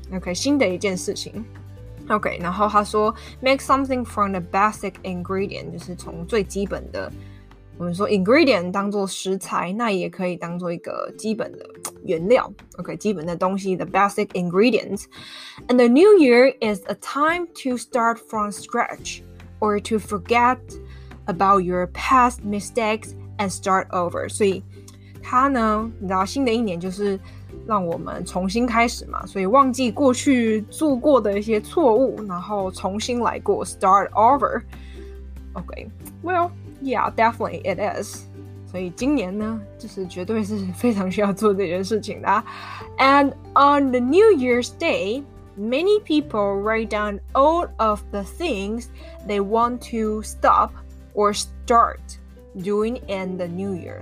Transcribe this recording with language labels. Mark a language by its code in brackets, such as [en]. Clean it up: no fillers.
[zh] Okay, 新的一件事情。Okay, 然后他说 [en] make something from the basic ingredient, [zh] 就是从最基本的，我们说 ingredient 当作食材，那也可以当作一个基本的原料。 OK, 基本的东西 [en] the basic ingredients. And the new year is a time to start from scratch or to forget about your past mistakes and start over. [zh] 所以它呢你知道新的一年就是让我们重新开始嘛，所以忘记过去做过的一些错误，然后重新来过 [en] start over. OK, well,Yeah, definitely it is. [zh] 所以今年呢，就是绝对是非常需要做这件事情的。 [en] And on the New Year's Day, many people write down all of the things they want to stop or start doing in the New Year.